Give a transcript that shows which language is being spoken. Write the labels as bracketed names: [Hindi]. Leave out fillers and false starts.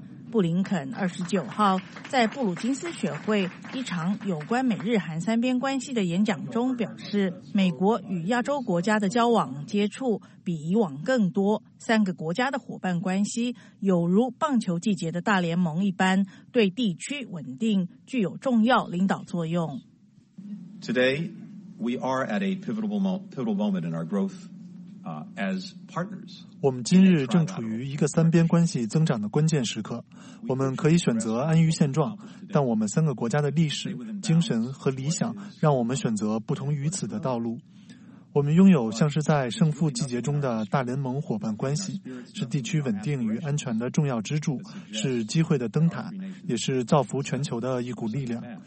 [Chinese] 布林肯29号在布鲁金斯学会一场有关美日韩三边关系的演讲中表示，美国与亚洲国家的交往接触比以往更多，三个国家的伙伴关系有如棒球季节的大联盟一般，对地区稳定具有重要领导作用。 [English] Today we are at a pivotal moment in our growth as partners. [Chinese] 我们今日正处于一个三边关系增长的关键时刻，我们可以选择安于现状，但我们三个国家的历史、精神和理想让我们选择不同于此的道路。我们拥有像是在胜负季节中的大联盟伙伴关系，是地区稳定与安全的重要支柱，是机会的灯塔，也是造福全球的一股力量。